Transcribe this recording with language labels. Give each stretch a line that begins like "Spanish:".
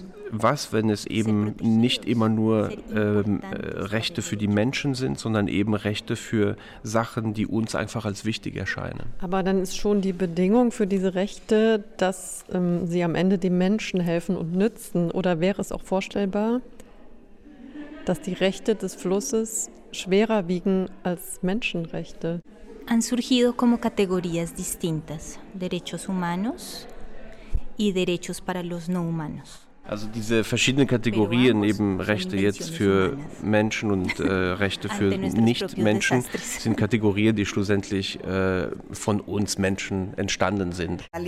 German: Was, wenn es eben nicht immer nur Rechte für die Menschen sind, sondern eben Rechte für Sachen, die uns einfach als wichtig erscheinen? Aber dann ist schon die Bedingung für diese Rechte, dass sie am Ende den Menschen helfen und nützen. Oder wäre es auch vorstellbar, dass die Rechte des Flusses schwerer wiegen als Menschenrechte?
Spanish: Han surgido como categorías distintas, derechos humanos y derechos para los no humanos.
German: Also diese verschiedenen Kategorien, eben Rechte jetzt für Menschen und Rechte für Nicht-Menschen, sind Kategorien, die schlussendlich von uns Menschen entstanden sind.